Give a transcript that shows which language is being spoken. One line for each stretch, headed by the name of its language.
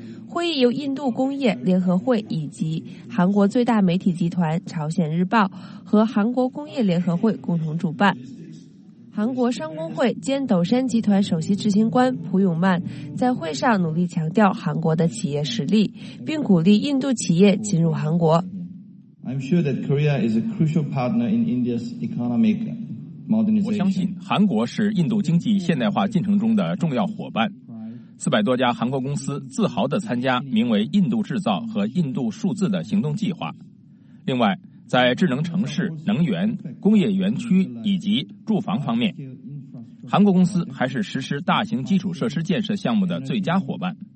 Chinese: 会议由印度工业联合会以及韩国最大媒体集团朝鲜日报和韩国工业联合会共同主办。韩国商工会兼斗山集团首席执行官朴永曼在会上努力强调韩国的企业实力，并鼓励印度企业进入韩国。
English: I'm sure that Korea is a crucial partner in India's economic modernization.
Chinese: 我相信韩国是印度经济现代化进程中的重要伙伴。 400多家韩国公司自豪地参加名为印度制造和印度数字的行动计划。另外，在智能城市、能源、工业园区以及住房方面，韩国公司还是实施大型基础设施建设项目的最佳伙伴。